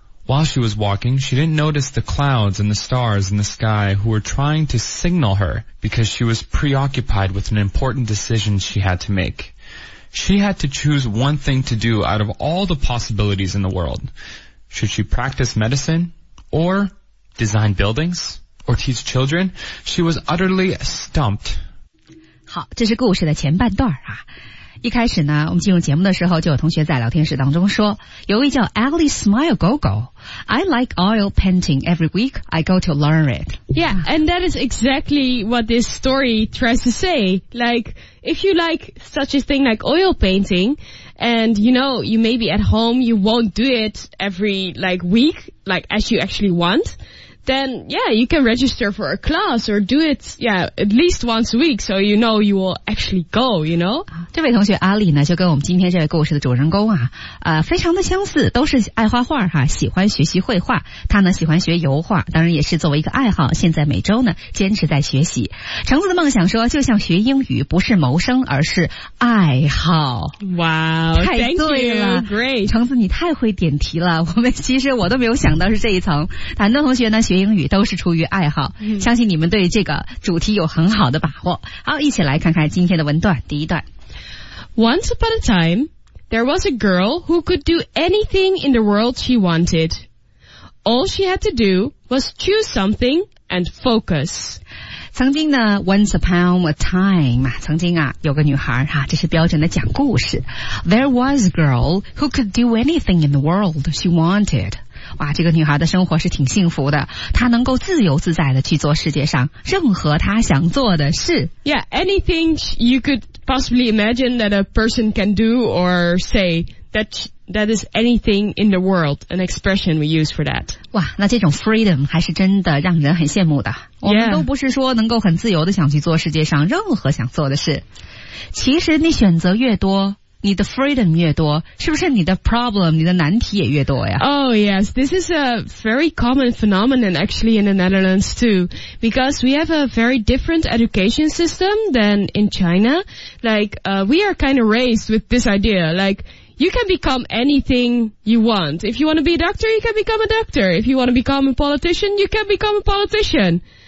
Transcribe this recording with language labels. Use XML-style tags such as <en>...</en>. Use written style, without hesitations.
<en>While she was walking, she didn't notice the clouds and the stars in the sky who were trying to signal her because she was preoccupied with an important decision she had to make. She had to choose one thing to do out of all the possibilities in the world. Should she practice medicine, or design buildings, or teach children? She was utterly stumped.</en> <zh>好，这是故事的前半段啊。一开始呢，我们进入节目的时候，就有同学在聊天室当中说，有位叫 Ally Smile Gogo,</zh> <en>I like oil painting every week, I go to learn it. Yeah, and that is exactly what this story tries to say. Like, if you like such a thing like oil painting,And, you know, you may be at home, you won't do it every, like, week, like, as you actually want. Then, yeah, you can register for a class or do it, yeah, at least once a week, so you know you will actually go, you know?</en> <zh>这位同学阿里呢，就跟我们今天这位故事的主人公啊，非常的相似，都是爱画画哈，喜欢学习绘画。他呢，喜欢学油画，当然也是作为一个爱好，现在每周呢，坚持在学习。橙子的梦想说，就像学英语，不是谋生，而是爱好。</zh> <en>Wow,</en> <zh>太对了</zh> <en>thank you, great.</en> <zh>橙子你太会点题了，我们其实我都没有想到是这一层。很多同学呢，学英语都是出于爱好、相信你们对这个主题有很好的把握。好，一起来看看今天的文段。第一段，</zh> <en>Once upon a time, there was a girl who could do anything in the world she wanted. All she had to do was choose something and focus.</en> <zh>曾经呢 ,</zh> <en>once upon a time,</en> <zh>曾经啊有个女孩啊，这是标准的讲故事。</zh> <en>There was a girl who could do anything in the world she wanted.</en> <zh>哇，这个女孩的生活是挺幸福的，她能够自由自在的去做世界上任何她想做的事。</zh> <en>Yeah, anything you could possibly imagine that a person can do or say, that is anything in the world, an expression we use for that.</en> <zh>哇，那这种 freedom 还是真的让人很羡慕的。</zh> <en>Yeah.</en> <zh>我们都不是说能够很自由的想去做世界上任何想做的事。其实你选择越多，你的 freedom 越多，是不是你的 problem, 你的难题也越多呀？</zh> <en>Oh yes, this is a very common phenomenon actually in the Netherlands too, because we have a very different education system than in China. Like, we are kind of raised with this idea, like,You can become anything you want. If you want to be a doctor, you can become a doctor. If you want to become a politician, you can become a politician.</en>